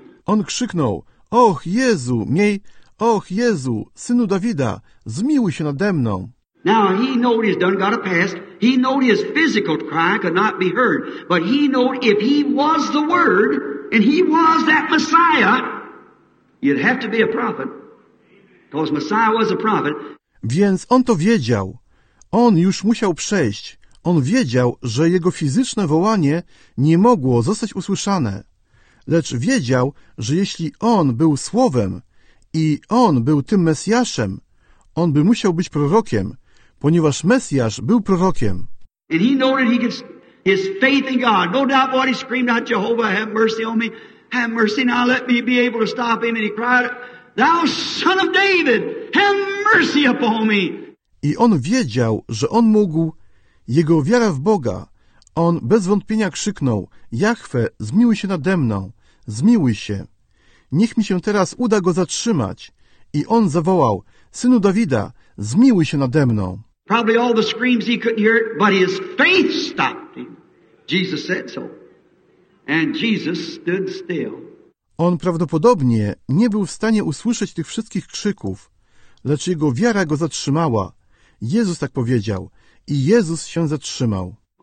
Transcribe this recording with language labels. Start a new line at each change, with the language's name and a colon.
Polish: On krzyknął, och Jezu, miej, och Jezu, synu Dawida, zmiłuj się nade mną.
English: Now he knew he's done got a past. He knew his physical cry could not be heard. But he knew if he was the Word, and he was that Messiah, you'd have to be a prophet. Because Messiah was a prophet.
Polish: Więc on to wiedział. On już musiał przejść. On wiedział, że jego fizyczne wołanie nie mogło zostać usłyszane. Lecz wiedział, że jeśli on był Słowem i on był tym Mesjaszem, on by musiał być prorokiem, ponieważ Mesjasz był prorokiem.
English: And he knew that he could, his faith in God, no doubt what he screamed out, Jehovah, have mercy on me, have mercy now, let me be able to stop him. And he cried, Thou son of David, have mercy upon me.
Polish: I on wiedział, że on mógł, jego wiara w Boga, on bez wątpienia krzyknął, Jahwe, zmiłuj się nade mną, zmiłuj się. Niech mi się teraz uda go zatrzymać. I on zawołał, synu Dawida, zmiłuj się nade mną.
English: Probably all the screams he couldn't hear, but his faith stopped him. Jesus said so. And Jesus stood still.
Polish: On prawdopodobnie nie był w stanie usłyszeć tych wszystkich krzyków, lecz jego wiara go zatrzymała. Jezus tak powiedział i Jezus się zatrzymał.